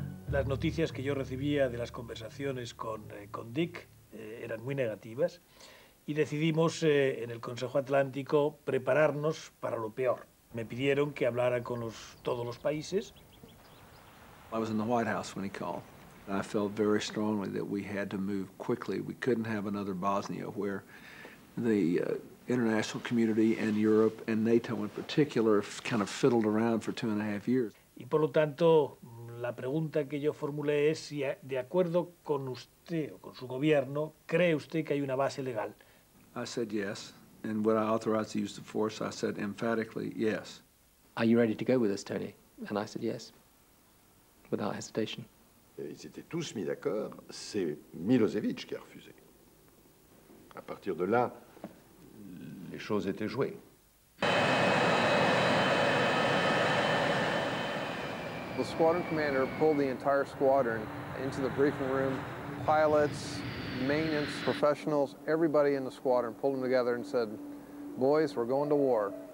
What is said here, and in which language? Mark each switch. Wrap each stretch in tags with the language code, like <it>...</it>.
<es>Las noticias que yo recibía de las conversaciones con Dick eran muy negativas y decidimos en el Consejo Atlántico prepararnos para lo peor. Me pidieron que hablara con todos los países.</es> <en>I was in the White House when he called. And I felt very strongly that we had to move quickly. We couldn't have another Bosnia where the international community and Europe and NATO in particular kind of fiddled around for 2.5 years.</en> <es>Y por lo tanto, la pregunta que yo formulé es si, de acuerdo con usted o con su gobierno, ¿cree usted que hay una base legal?</es> <en>I said yes. And would I authorize the use of force? I said emphatically yes. Are you ready to go with us, Tony? And I said yes, without hesitation.</en> <fr>Ils étaient tous mis d'accord. C'est Milosevic qui a refusé. À partir de là, les choses étaient jouées.</fr> <en>The squadron commander pulled the entire squadron into the briefing room. Pilots, maintenance, professionals, everybody in the squadron pulled them together and said, boys, we're going to war.</en>